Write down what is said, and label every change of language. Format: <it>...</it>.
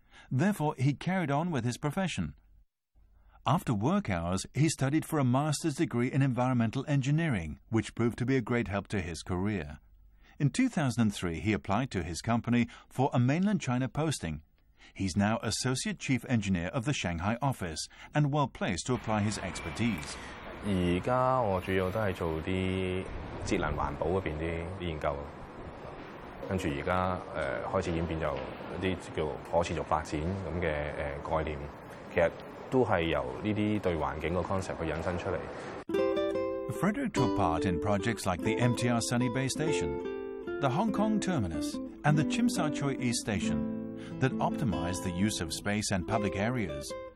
<en>Therefore, he carried on with his profession. After work hours, he studied for a master's degree in environmental engineering, which proved to be a great help to his career. In 2003, he applied to his company for a mainland China posting. He's now Associate Chief Engineer of the Shanghai office and well-placed to apply his expertise.</en> <yue>現在我主要都是做啲節能環保嗰邊啲研究，跟住而家開始演變就啲叫可持續發展咁嘅概念，其實都係由呢啲對環境個 concept 去引申出嚟。</yue> <en>Frederick took part in projects like the MTR Sunny Bay Station, the Hong Kong Terminus, and the Tsim Sha Tsui East Station that optimize the use of space and public areas.</en>